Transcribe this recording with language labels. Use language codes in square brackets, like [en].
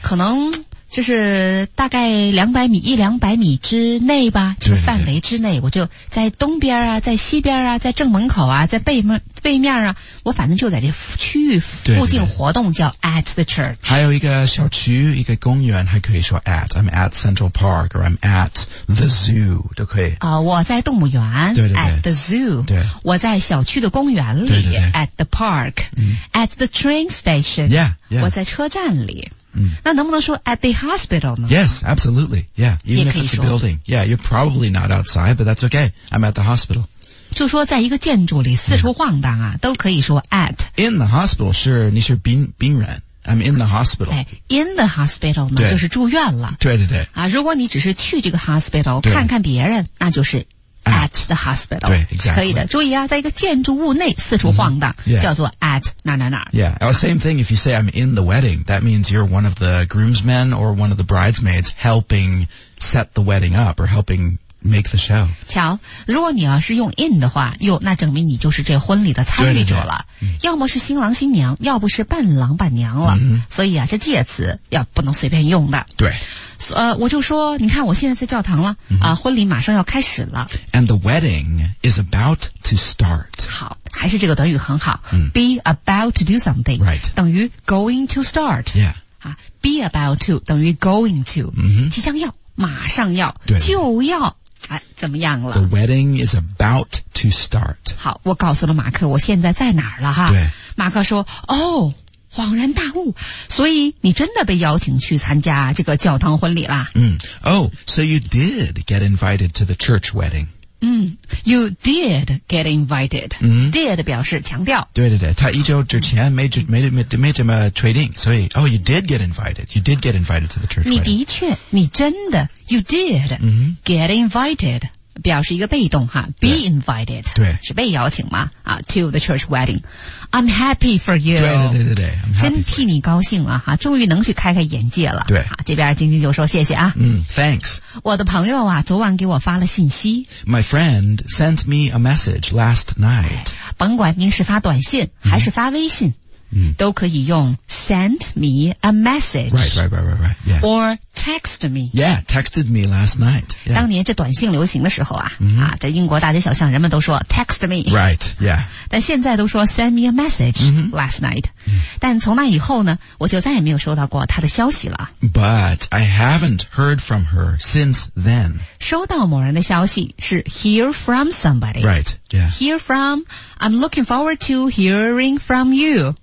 [zh] 可能就是大概一两百米之内吧，这个范围之内，对对对，我就在东边啊，在西边啊，在正门口啊，在背面啊，我反正就在这区域附近活动，对对对，叫 [en] at the church。 [zh] 还有一个小区，一个公园，还可以说 at。 [en] I'm at Central Park or I'm at the zoo [zh] 都可以。啊、我在动物园，对对对 [en] ，at the zoo。 [zh] 对，我在小区的公园里，对对对 [en] ，at the park、嗯。 at the train station。 Yeah, yeah。 [zh] 我在车站里。嗯、那能不能说 [en] at the hospital [zh] 呢 [en] Yes, absolutely. Yeah, even if it's a building. Yeah, you're probably not outside, but that's okay. I'm at the hospital. [zh] 就说在一个建筑里四处晃荡啊、yeah. 都可以说 at. [en] In the hospital, sure, [zh] 你是病人。 [en] I'm in the hospital. In the hospital [zh] 呢就是住院了。对对对。啊，如果你只是去这个 hospital, 看看别人那就是 [en] at the hospital. [zh] 对 exactly. 可以的。注意啊在一个建筑物内四处晃荡、 mm-hmm. yeah. 叫做 at 哪哪哪。 [en] Yeah. Oh, same thing if you say I'm in the wedding. That means you're one of the groomsmen or one of the bridesmaids helping set the wedding up or helping make the show. [zh] 瞧如果你要是用 in 的话哟那证明你就是这婚礼的参与者了。对对对要么是新郎新娘要不是伴郎伴娘了。 Mm-hmm. 所以啊这介词要不能随便用的。对。我就说你看我现在在教堂了、 mm-hmm. 啊婚礼马上要开始了。 [en] And the wedding is about to start. [zh] 好还是这个短语很好。 Mm-hmm. [en] Be about to do something. Right. [zh] 等于 [en] going to start. Yeah. [zh] 啊 [en] be about to, [zh] 等于 [en] going to.、 Mm-hmm. [zh] 即将要马上要对就要。哎，怎么样了 [en] ？The wedding is about to start. [zh] 好，我告诉了马克，我现在在哪儿了哈？对，马克说：“哦，恍然大悟，所以你真的被邀请去参加这个教堂婚礼啦？” [en] 嗯 ，Oh, so you did get invited to the church wedding. 嗯 ，You did get invited. 嗯 [zh] ，did 表示强调。对对对，他一周之前没怎么确定，所以 [en] Oh, you did get invited. You did get invited to the church wedding. [zh] 你的确，你真的。 [en] You did、 mm-hmm. get invited, [zh] 表示一个被动哈 [en] be invited, [zh] 对是被邀请吗、 [en] 啊、to the church wedding. I'm happy for you. [zh] 对对对对对真替你高兴了哈终于能去开开眼界了。对、啊、这边晶晶就说谢谢啊。 [en] 嗯、mm, thanks. [zh] 我的朋友啊昨晚给我发了信息。 [en] My friend sent me a message last night. [zh] 甭管您是发短信还是发微信。 Mm-hmm. 嗯、都可以用 [en] send me a message. Right, right, right, right, right.、Yeah. Or text me. Yeah, texted me last night.、Yeah. [zh] 当年这短信流行的时候啊、 mm-hmm. 啊，在英国大街小巷人们都说 [en] text me. Right, yeah. [zh] 但现在都说 [en] send me a message last night.、 Mm-hmm. Mm-hmm. [zh] 但从那以后呢，我就再也没有收到过他的消息了。 [en] But I haven't heard from her since then. [zh] 收到某人的消息是 [en] hear from somebody. Right. Yeah. Hear from, I'm looking forward to hearing from you.